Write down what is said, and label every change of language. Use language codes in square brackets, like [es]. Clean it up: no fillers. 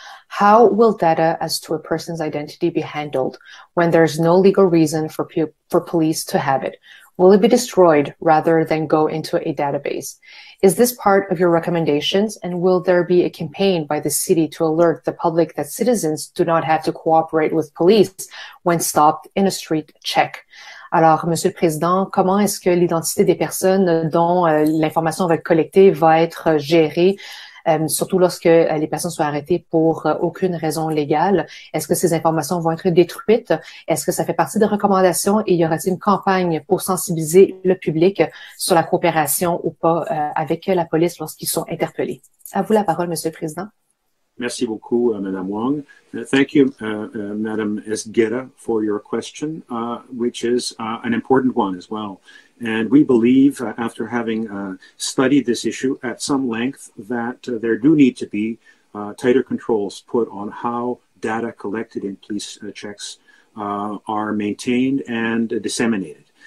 [en] How will data as to a person's identity be handled when there's no legal reason for police to have it? Will it be destroyed rather than go into a database? Is this part of your recommendations, and will there be a campaign by the city to alert the public that citizens do not have to cooperate with police when stopped in a street check? [fr] Alors, Monsieur le Président, comment est-ce que l'identité des personnes dont l'information va être collectée va être gérée, surtout lorsque les personnes sont arrêtées pour aucune raison légale? Est-ce que ces informations vont être détruites? Est-ce que ça fait partie des recommandations et y aura-t-il une campagne pour sensibiliser le public sur la coopération ou pas avec la police lorsqu'ils sont interpellés? À vous la parole, Monsieur le Président. Merci beaucoup, Madame Wong. [en] Thank you, Madame Ezeguera, for your question, which is an important one as well. And we believe, after having studied this issue at some length, that there do need to be tighter controls put on how data collected in police checks are maintained and disseminated.